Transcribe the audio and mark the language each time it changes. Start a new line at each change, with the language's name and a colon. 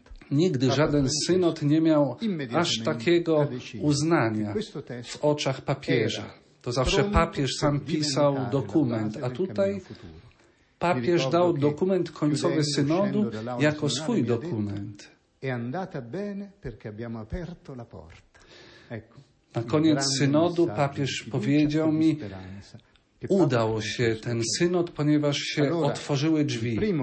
Polish: Nigdy żaden synod nie miał aż takiego uznania w oczach papieża. To zawsze papież sam pisał dokument, a tutaj papież dał dokument końcowy synodu jako swój dokument.
Italian: È andata bene perché abbiamo aperto la porta. Ecco.
Polish: Na koniec synodu papież powiedział mi, udało się ten synod, ponieważ się otworzyły drzwi.